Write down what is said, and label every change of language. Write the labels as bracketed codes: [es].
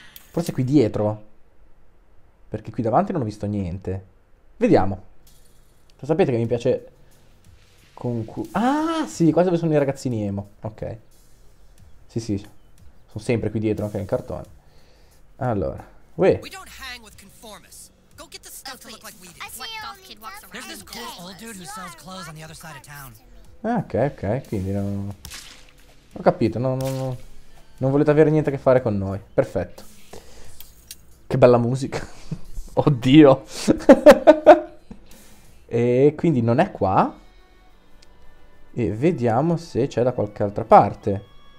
[it] Forse qui dietro. Perché qui davanti non ho visto niente. Vediamo. Lo sapete che mi piace. Ah, sì, qua dove sono i ragazzini emo. Ok. Sì, sì. Sono sempre qui dietro, anche okay, in cartone. Allora. Uè. [en] We don't hang with conformists. Go get the stuff to look like we do. What goth kid walks around? There's this cool old dude who sells clothes on the other side of town. [it] Ok, ok. Quindi non. Ho capito. Non volete avere niente a che fare con noi. Perfetto. Che bella musica. Oddio. E quindi non è qua. E vediamo se c'è da qualche altra parte.